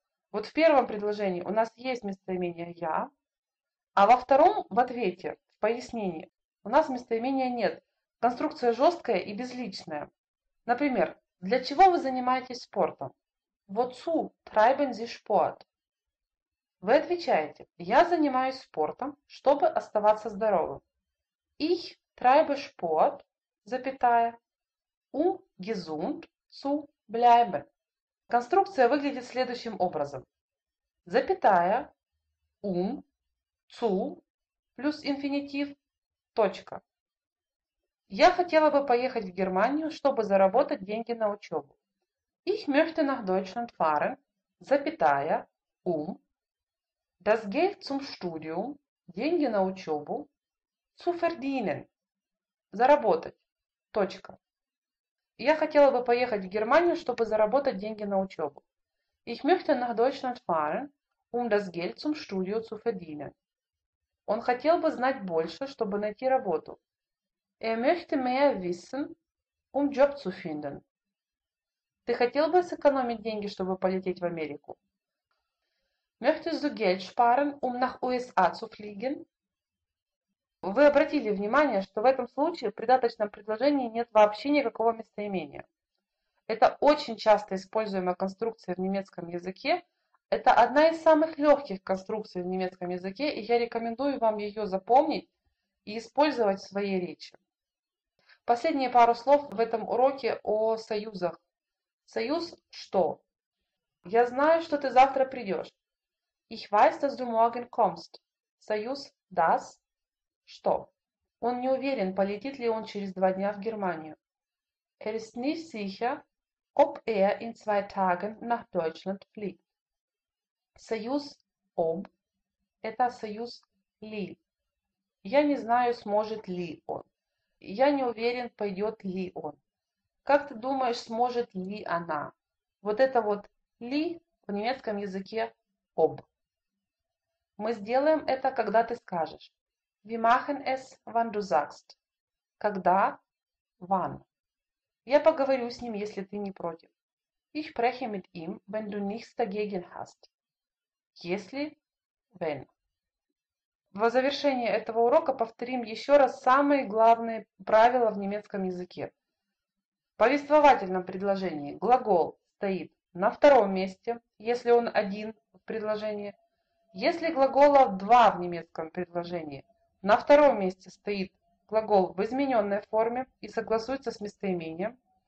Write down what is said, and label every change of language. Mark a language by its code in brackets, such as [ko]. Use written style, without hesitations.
[ru] Вот в первом предложении у нас есть местоимение «я», а во втором, в ответе, в пояснении, у нас местоимения нет. Конструкция жесткая и безличная. Например, для чего вы занимаетесь спортом? [de] Wozu treiben Sie Sport? [ru] Вы отвечаете, я занимаюсь спортом, чтобы оставаться здоровым. [de] Ich treibe Sport, запятая, gesund zu bleiben. [ru] Конструкция выглядит следующим образом. Запятая, zu, плюс инфинитив, точка. Я хотела бы поехать в Германию, чтобы заработать деньги на учебу. [de] Ich möchte nach Deutschland fahren, запятая, das Geld zum Studium, [ru] деньги на учебу, [de] zu verdienen, [ru] заработать, [de] точка. [ru] Я хотела бы поехать в Германию, чтобы заработать деньги на учебу. [de] Ich möchte nach Deutschland fahren, das Geld zum Studium zu verdienen. [ru] Он хотел бы знать больше, чтобы найти работу. [de] Er möchte mehr wissen, Job zu finden. [ru] Ты хотел бы сэкономить деньги, чтобы полететь в Америку? [de] Möchtest du Geld sparen, nach USA zu fliegen? [ru] Вы обратили внимание, что в этом случае в придаточном предложении нет вообще никакого местоимения. Это очень часто используемая конструкция в немецком языке. Это одна из самых легких конструкций в немецком языке, и я рекомендую вам ее запомнить и использовать в своей речи. Последние пару слов в этом уроке о союзах. Союз что? Я знаю, что ты завтра придешь. [de] Ich weiß, dass du morgen kommst. [ru] Союз das что? Он не уверен, полетит ли он через два дня в Германию. [de] Er ist nicht sicher, ob in zwei Tagen nach Deutschland fliegt. [ru] Союз ob это союз ли. Я не знаю, сможет ли он. Я не уверен, пойдет ли он. Как ты думаешь, сможет ли она? Вот это вот ли в немецком языке ob. Мы сделаем это, когда ты скажешь. [de] Wir machen es, wann du sagst. [ru] Когда? Wann. Я поговорю с ним, если ты не против. [de] Ich spreche mit ihm, wenn du nichts dagegen hast. [ru] Если? Wenn. В завершении этого урока повторим еще раз самые главные правила в немецком языке. В повествовательном предложении глагол стоит на втором месте, если он один в предложении. Если глагола два в немецком предложении, на втором месте стоит глагол в измененной форме и согласуется с местоимением.